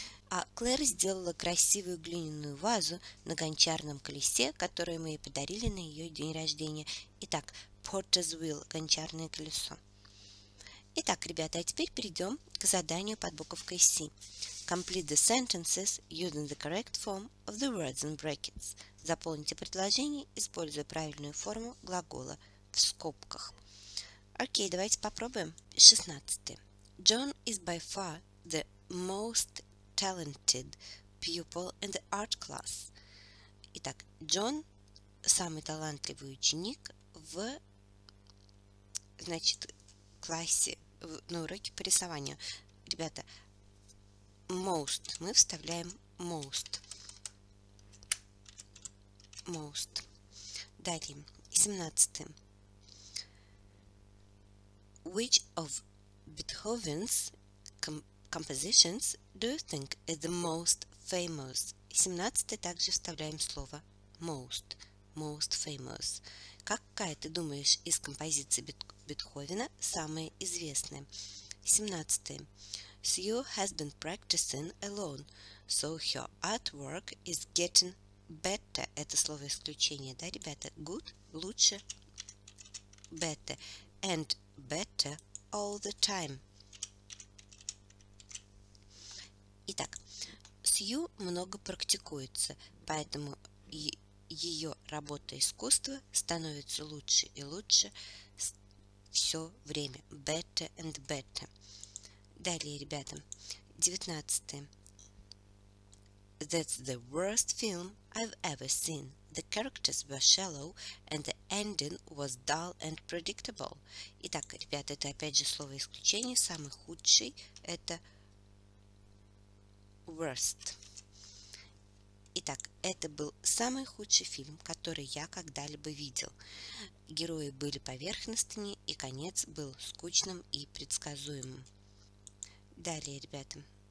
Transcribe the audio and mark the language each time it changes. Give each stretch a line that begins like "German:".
Russian: А Клэр сделала красивую глиняную вазу на гончарном колесе, которую мы ей подарили на ее день рождения. Итак, Potter's Wheel, гончарное колесо. Итак, ребята, а теперь перейдем к заданию под буковкой C.
English: Complete the sentences using the correct form of the words in brackets.
Russian: Заполните предложение, используя правильную форму глагола в скобках. Окей, давайте попробуем. 16.
English: John is by far the most talented pupil in the art class.
Russian: Итак, Джон самый талантливый ученик в, значит, классе, на уроке по рисованию. Ребята, most. Мы вставляем most. Most. Далее. 17.
English: Which of Beethoven's compositions do you think is the most famous?
Russian: 17. Также вставляем слово most. Most famous. Какая, ты думаешь, из композиций Бетховена самая известная?
English: 17. Sue has been practicing alone, so her artwork is getting better.
Russian: Это слово исключение, да, ребята?
English: Good,
Russian: лучше,
English: better. And better all the time.
Russian: Итак, Сью много практикуется, поэтому ее работа искусства становится лучше и лучше все время.
English: Better and better.
Russian: Далее, ребята,
English: 19. That's the worst film I've ever seen. The characters were shallow and the ending was dull and predictable.
Russian: Итак, ребята, это опять же слово исключение. Самый худший – это worst. Итак, это был самый худший фильм, который я когда-либо видел. Герои были поверхностными, и конец был скучным и предсказуемым. Далее, ребята.